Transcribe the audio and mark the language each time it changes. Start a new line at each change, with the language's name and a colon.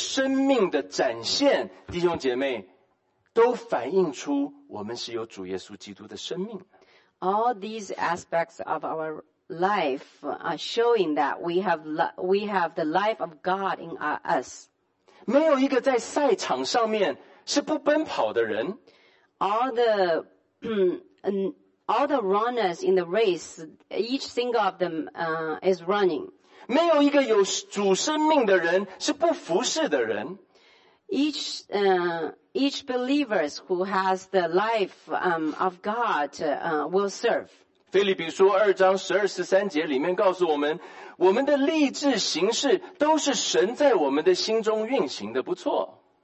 Chinese: 我们全人的生命的展现, 弟兄姐妹, 都反映出我们是有主耶稣基督的生命。
English: All these aspects of our life are showing that we have the life of God in us.
Chinese: 没有一个在赛场上面是不奔跑的人。
English: All the runners in the race, each single of them is running.
Chinese: 没有一个有主生命的人是不服事的人。
English: Each believers who has the life of God will serve.
Chinese: 腓立比书2章12-13节里面告诉我们, 我们的立志行事都是神在我们的心中运行的不错。